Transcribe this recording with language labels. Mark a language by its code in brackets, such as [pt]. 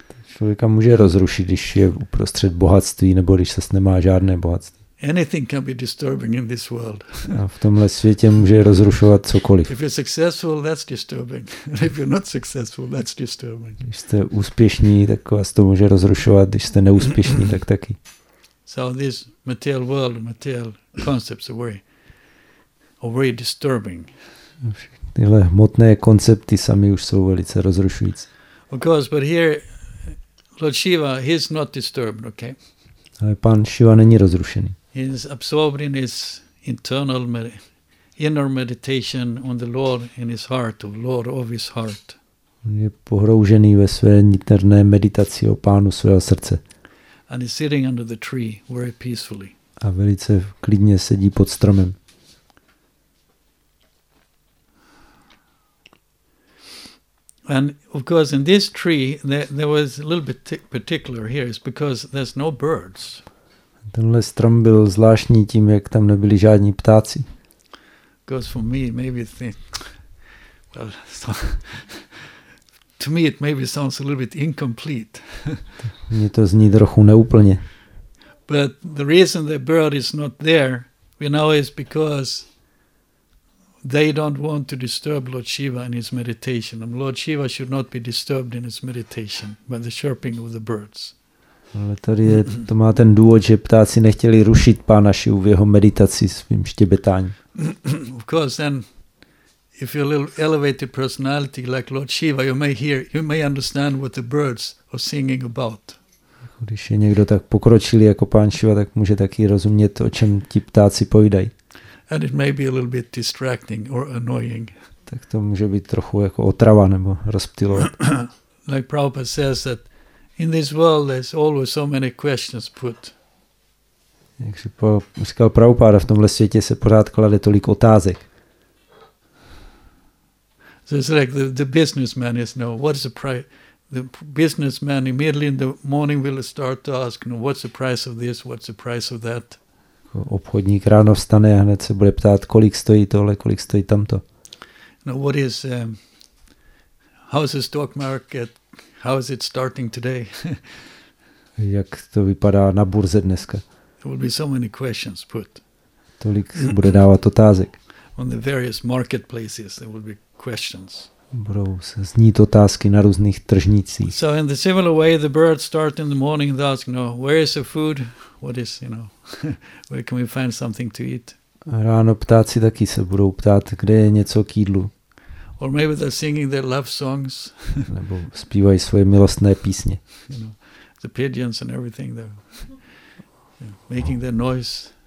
[cs] Člověka může rozrušit, když je uprostřed bohatství nebo když se nemá žádné bohatství. [en] Anything can be disturbing in this world. [cs] A v tomhle světě může rozrušovat cokoliv. [en] If you're successful, that's disturbing. If you're not successful, that's disturbing. [cs] Když jste úspěšní, tak vás to může rozrušovat, když jste neúspěšní, tak taky. [en] So this material world, material concepts are very disturbing. [cs] Tyhle hmotné koncepty sami už jsou velice rozrušující. [en] Of course, but here Lord Shiva, he's not disturbed, okay? [cs] Ale pan Shiva není rozrušený. [en] He is absorbed in his internal inner meditation on the Lord in his heart, of Lord of his heart. [cs] On je pohroužený ve své vnitřní meditaci o pánu svého srdce. [en] And he's sitting under the tree very peacefully. [cs] A velice klidně sedí pod stromem. [en] And of course in this tree there was a little bit particular here is because there's no birds. [cs] Tenhle strom byl zvláštní tím, jak tam nebyli žádní ptáci. [en] Because for me maybe to me it maybe sounds a little bit incomplete. [cs] Mně to zní trochu neúplně. [en] But the reason the bird is not there, we know, is because they don't want to disturb Lord Shiva in his meditation. And Lord Shiva should not be disturbed in his meditation by the chirping of the birds. [cs] Ale tady je, to má ten důvod, že ptáci nechtěli rušit pána Šivu v jeho meditaci svým štěbetáním. [en] Of course, then, if you're a little elevated personality like Lord Shiva, you may understand what the birds are singing about. [cs] Když je někdo tak pokročilý jako pán Šiva, tak může taky rozumět, o čem ti ptáci povídají. [en] And it may be a little bit distracting or annoying. [cs] Tak to může být trochu jako otrava nebo rozptylovat. [en] Like Prabhupada says that in this world there's always so many questions put. [cs] Jak si říkal Prabhupada, v tomhle světě se pořád klade tolik otázek. [en] So it's like the businessman is, no, what is the price? The businessman immediately in the morning will start to ask, no, what's the price of this, what's the price of that? [cs] Obchodník ráno vstane a hned se bude ptát, kolik stojí tohle, kolik stojí tamto. [en] Now what is how is the stock market? How is it starting today? [cs] Jak to vypadá na burze dneska? [en] There will be so many questions put. [cs] Tolik se bude dávat otázek. [en] On the various marketplaces there will be questions. [cs] Budou se znít otázky na různých tržnicích. [en] So in the similar way the birds start in the morning to ask, no, where is the food? What is, you know, where can we find something to eat? [cs] Ráno ptáci taky se budou ptát, kde je něco k jídlu. [en] Or maybe they're singing their love songs. [cs] Nebo zpívají svoje milostné písně. [en] You know, the pigeons and everything, they're making their noise.